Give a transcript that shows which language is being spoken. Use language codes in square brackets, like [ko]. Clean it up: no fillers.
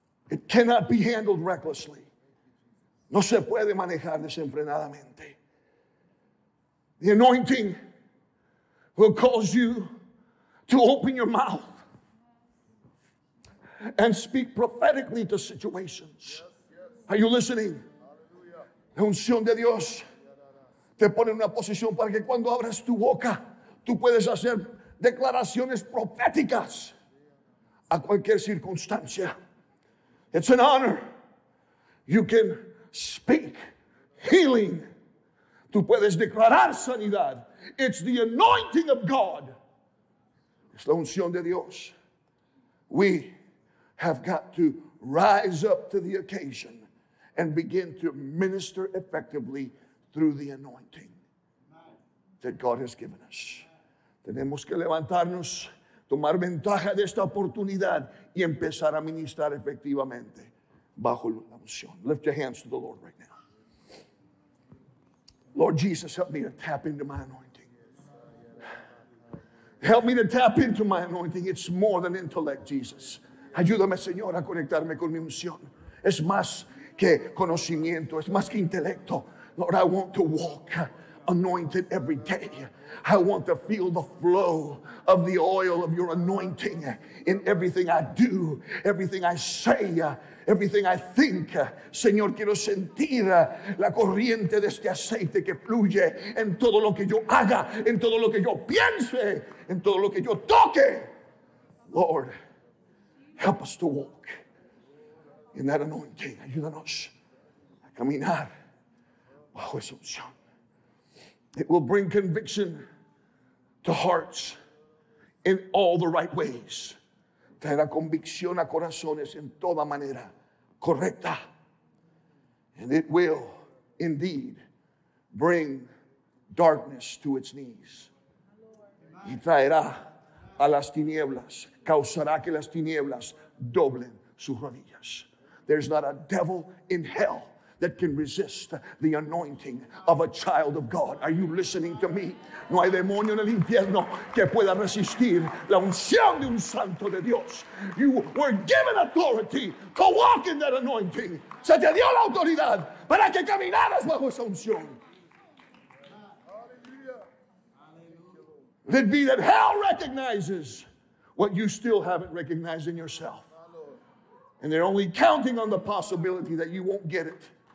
[en] It cannot be handled recklessly. [es] No se puede manejar desenfrenadamente. [en] The anointing will cause you to open your mouth and speak prophetically to situations. Are you listening? [es] La unción de Dios te pone en una posición para que cuando abras tu boca, tú puedes hacer declaraciones proféticas a cualquier circunstancia. [en] It's an honor. You can speak healing. [es] Tú puedes declarar sanidad. [en] It's the anointing of God. [es] Es la unción de Dios. [en] We have got to rise up to the occasion and begin to minister effectively through the anointing that God has given us. [es] Tenemos que levantarnos, tomar ventaja de esta oportunidad y empezar a ministrar efectivamente bajo la unción. [en] Lift your hands to the Lord right now. Lord Jesus, help me to tap into my anointing. Help me to tap into my anointing. It's more than intellect, Jesus. [es] Ayúdame, Señor, a conectarme con mi unción. Es más que conocimiento, es más que intelecto. [en] Lord, I want to walk anointed every day. I want to feel the flow of the oil of your anointing in everything I do, everything I say, everything I think. [es] Señor, quiero sentir la corriente de este aceite que fluye en todo lo que yo haga, en todo lo que yo piense, en todo lo que yo toque. [en] Lord, help us to walk in that anointing. [es] Ayúdanos a caminar bajo esa unción. [en] It will bring conviction to hearts in all the right ways. [es] Traerá convicción a corazones en toda manera correcta. [en] And it will indeed bring darkness to its knees. [es] Y traerá a las tinieblas, causará que las tinieblas doblen sus rodillas. [en] There's not a devil in hell that can resist the anointing of a child of God. Are you listening to me? [es] No hay demonio en el infierno que pueda resistir la unción de un santo de Dios. [en] You were given authority to walk in that anointing. [es] Se te dio la autoridad para que caminaras bajo esa unción. [en] Let it be that hell recognizes what you still haven't recognized in yourself. And they're only counting on the possibility that you won't get it.